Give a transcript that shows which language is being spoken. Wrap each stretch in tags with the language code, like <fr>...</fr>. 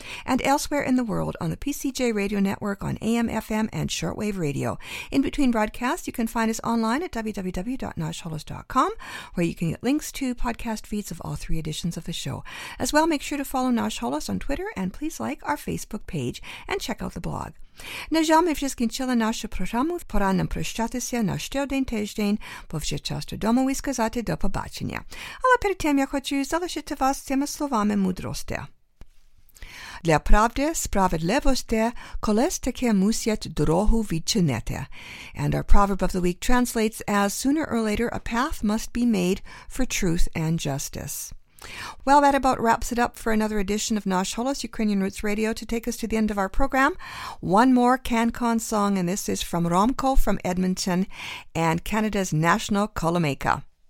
<en>And elsewhere in the world on the PCJ Radio Network on AM, FM, and Shortwave Radio. In between broadcasts, you can find us online at www.nashholos.com, where you can get links to podcast feeds of all three editions of the show. As well, make sure to follow Nash Holos on Twitter, and please like our Facebook page and check out the blog.</en> <uk>На жаль, ми вже скінчили нашу програму. Пора нам прощатися на ще один тиждень, бо вже час додому і сказати до побачення. Але перед тим я хочу залишити вас цими словами мудрості. для правди, справедливості, колись таке мусять дорогу відчинити.</uk> <en>And our proverb of the week translates as, sooner or later, a path must be made for truth and justice. Well, that about wraps it up for another edition of Nosh Holos, Ukrainian Roots Radio. To take us to the end of our program, one more CanCon song, and this is from Romko from Edmonton and Canada's national Kolomeka.</en>